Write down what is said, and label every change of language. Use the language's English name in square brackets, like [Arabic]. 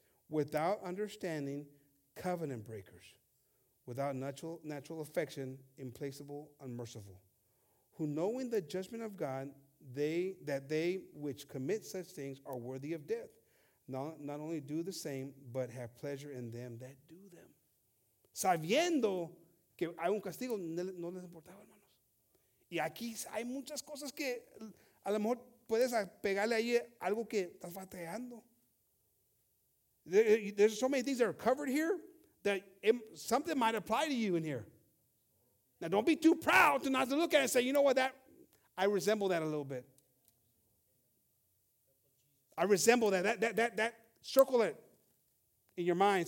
[English] without understanding, covenant breakers, without natural affection, implacable, unmerciful, who knowing the judgment of God, they which commit such things are worthy of death, not only do the same, but have pleasure in them that do them. [Spanish] Sabiendo que hay un castigo, no les importaba, hermanos. Y aquí hay muchas cosas que a lo mejor puedes pegarle ahí algo que estás fatigando. [English] There's so many things that are covered here that something might apply to you in here. Now, don't be too proud to not to look at it and say, you know what, that I resemble that a little bit. I resemble that. That circle it in your mind.